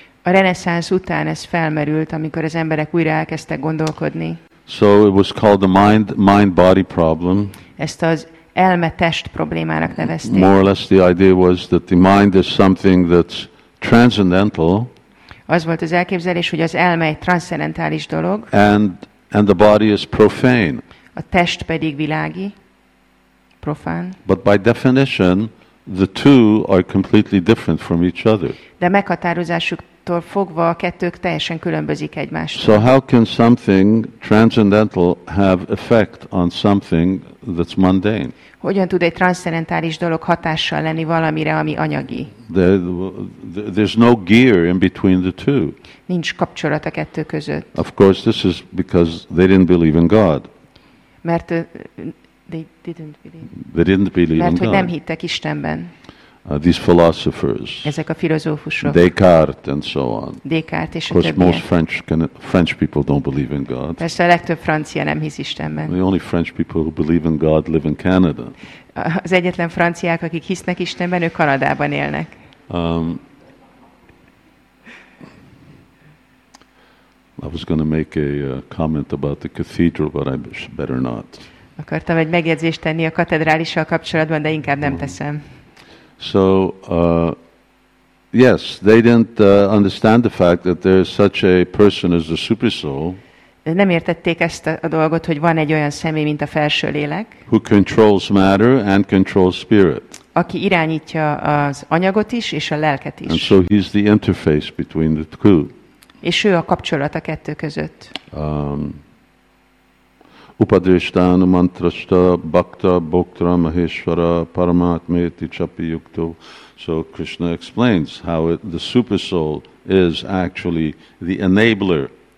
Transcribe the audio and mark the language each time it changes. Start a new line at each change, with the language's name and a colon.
Hungarian: A reneszánsz után ez felmerült, amikor az emberek újra elkezdtek gondolkodni.
English: So it was called the mind-body problem.
Hungarian: Ezt az elme-test problémának nevezték.
English: More or less the idea was that the mind is something that's transcendental.
Hungarian: Az volt az elképzelés, hogy az elme egy transzcendentális dolog.
English: And the body is profane.
Hungarian: A test pedig világi, profán.
English: But by definition, the two are completely different from each other.
Hungarian: De meghatározásuktól fogva a kettők teljesen különbözik egymástól.
English: So how can something transcendental have effect on something that's mundane?
Hungarian: Hogyan tud egy transzcendentális dolog hatással lenni valamire, ami anyagi?
English: There's no gear in between the two.
Hungarian: Nincs kapcsolat a kettő között.
English: Of course, this is because they didn't believe in God.
Hungarian: Mert
English: they didn't believe in God.
Hungarian: Mert hogy nem hittek Istenben.
English: These philosophers.
Hungarian: Ezek a filozófusok.
English: Descartes and so on.
Hungarian: Descartes és a többiek.
English: Of course, most French people don't believe in God.
Hungarian: Persze a legtöbb francia nem hisz Istenben.
English: The only French people who believe in God live in Canada.
Hungarian: Az egyetlen franciák, akik hisznek Istenben, ők Kanadában élnek.
English: I was going to make a comment about the cathedral, but I better not.
Hungarian: Akartam egy megjegyzést tenni a katedrálissal kapcsolatban, de inkább nem teszem.
English: So, yes, they didn't understand the fact that there is such a person as the super soul.
Hungarian: Nem értették ezt a dolgot, hogy van egy olyan személy, mint a felső lélek.
English: Who controls matter and controls spirit.
Hungarian: aki irányítja az anyagot is és a lelket is.
English: And so he's the interface between the two.
Hungarian: És ő a kapcsolat a kettő között.
Sanskrit: Upadrishtana mantrasta bhakta bhoktra maheshvara paramatmeti chapi yukto.
English: So Krishna explains how the super soul is actually the enabler.